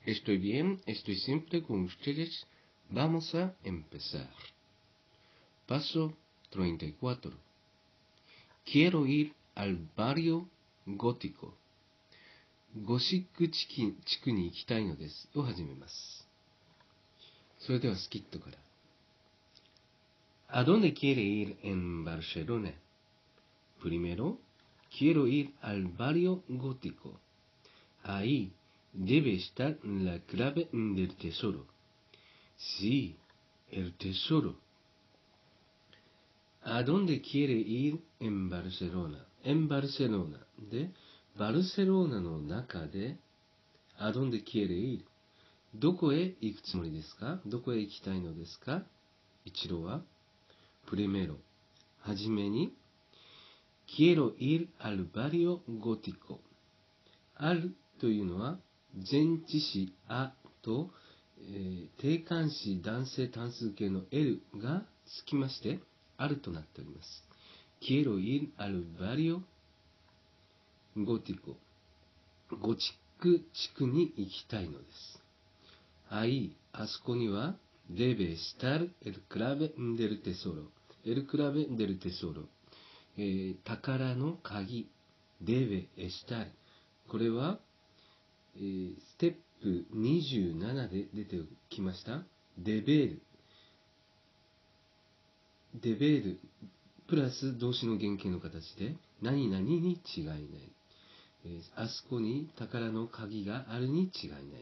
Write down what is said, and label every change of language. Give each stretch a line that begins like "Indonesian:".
Spanish: Estoy bien, estoy siempre con ustedes. Vamos a empezar. Paso 34. Quiero ir al barrio gótico.
Japanese: ゴシック地区に行きたいのです。を始めます。それではスキットから。
Spanish: ¿A dónde quiere ir en Barcelona? Primero,Quiero ir al barrio gótico. Ahí debe estar la clave del tesoro. Sí, el tesoro. ¿A dónde quiere ir en Barcelona? En Barcelona. De Barcelona
Japanese: の中で
Spanish: ¿A dónde quiere ir?
Japanese: どこへ行くつもりですか?どこへ行きたいのですか? 一路は
Spanish: Primero.
Japanese: はじめに
Spanish: Quiero ir al barrio gótico.
Japanese: Al というのは前置詞 a と、定冠詞男性単数形の l がつきましてあるとなっております。
Spanish: Quiero ir al barrio gótico.
Japanese: ゴチック地区に行きたいのです。
Spanish: Ahí,
Japanese: あそこには
Spanish: debe estar el clave del tesoro. El clave del tesoro.
Japanese: 宝の鍵、
Spanish: debe estar。
Japanese: これは、ステップ27で出てきました。
Spanish: deber。
Japanese: deber プラス動詞の原形の形で、何々に違いない、あそこに宝の鍵があるに違いない。